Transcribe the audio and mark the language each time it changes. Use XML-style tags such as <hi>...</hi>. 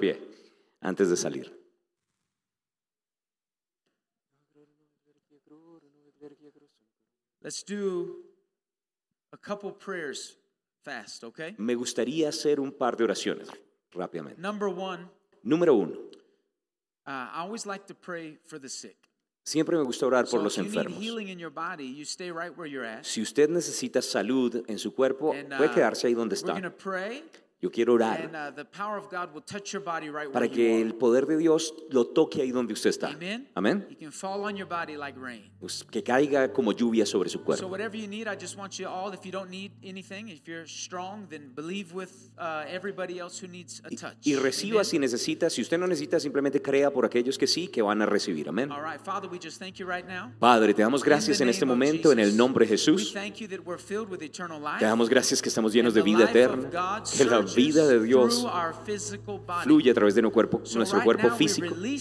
<es>De pie antes de salir.</es> <en>Let's do a couple prayers. Fast, okay?</en> <es>Me gustaría hacer un par de oraciones rápidamente.</es> <en>Number one,</en> <es>número uno.</es> <en>I always like to pray for the sick.</en> <es>Siempre me gusta orar por los enfermos.</es> <en>If you need healing in your body, you stay right where you're at.</en> <es>Si usted necesita salud en su cuerpo,</es> <en>and,</en> <es>puede quedarse ahí donde está.</es> <en>We're gonna pray,</en> <es>yo quiero orar.</es> <en>And, the power of God will touch your body right</en> <es>para</es> <en>where</en> <es>que</es> <en>you</en> <es>el poder de Dios lo toque ahí donde usted está.</es> <en>Amen.</en> <es>Amen.</es> <en>You can fall on your body like rain.</en> <es>Pues que caiga como lluvia sobre su cuerpo.</es> <en>So whatever you need, I just want you all, if you don't need anything, if you're strong, then believe with everybody else who needs a touch.</en> <es>Y reciba. Amen. Si necesita. Si usted no necesita, simplemente crea por aquellos que sí, que van a recibir. Amen.</es> <en>All right, Father, we just thank you right now.</en> <es>Padre, te damos gracias en este momento,</es> <en>Jesus,</en> <es>en el nombre de Jesús.</es> <en>We thank you that we're filled with eternal life.</en> <es>Te damos gracias que estamos llenos de vida eterna. Que la vida de Dios fluye a través de nuestro cuerpo físico.</es>